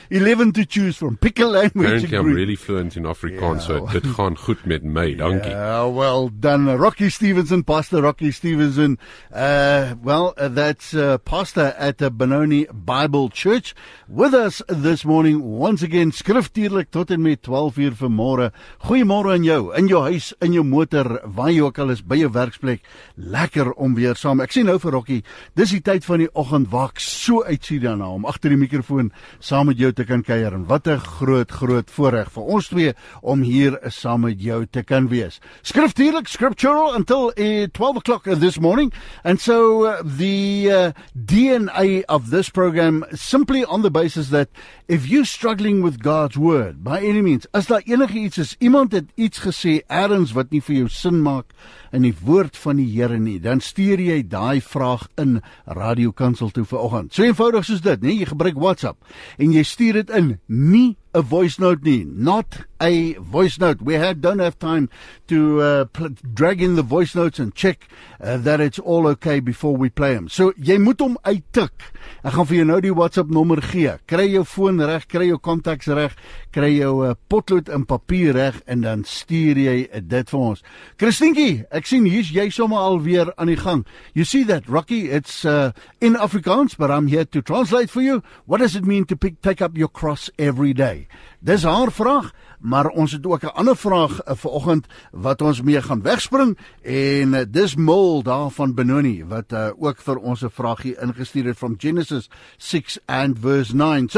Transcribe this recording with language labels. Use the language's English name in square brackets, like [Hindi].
[English] Got 11 to choose from. Pick a language. Apparently, I'm really fluent in Afrikaans, yeah. [Afrikaans] So dit gaan goed met my, dankie. [English] Yeah, well done, Rocky Stevenson, Pastor Rocky Stevenson. That's Pastor at Benoni Bible Church with us this morning. Once again, [Afrikaans] skriftuurlik tot en met 12 uur vanmôre. Goeiemôre aan jou, in jou huis, in jou motor, waar jy ook al is, by jou werksplek. Lekker om weer saam. Ek sien nou vir Rocky, dis die tyd van die oggend waar ek so uitsien dan. Om agter die mikrofoon saam met jou te kan kuier en wat 'n groot voorreg vir ons twee om hier saam met jou te kan wees. [English] Skriftuurlik, scriptural until 12 o'clock this morning. And so DNA of this program simply on the basis that if you're struggling with God's word, by any means, [Afrikaans] as daar enige iets is, iemand het iets gesê ergens wat nie vir jou sin maak in die woord van die Here nie, dan stuur jy daai vraag in Radio Kansel toe vanoggend. So eenvoudig soos dit, nee, jy gebruik WhatsApp en jy stuur dit in, nie 'n voice note nie, [English] not a voice note. Don't have time to drag in the voice notes and check that it's all okay before we play them. [Afrikaans] So jy moet hom uittik. Ek gaan vir jou nou die WhatsApp nommer gee. Kry jou foon reg, kry jou contacts reg, kry jou potlood en papier reg en dan stuur jy dit vir ons. Christientjie, ek sien hier's jy sommer alweer aan die gang. [English] You see that, Rocky? It's in Afrikaans, but I'm here to translate for you. What does it mean to take up your cross every day? [Afrikaans] Dis haar vraag, maar ons het ook 'n ander vraag vanoggend wat ons mee gaan wegspring en dis Mol daar van Benoni wat ook vir ons 'n vraagie ingestuur het [English] from Genesis 6 and verse 9.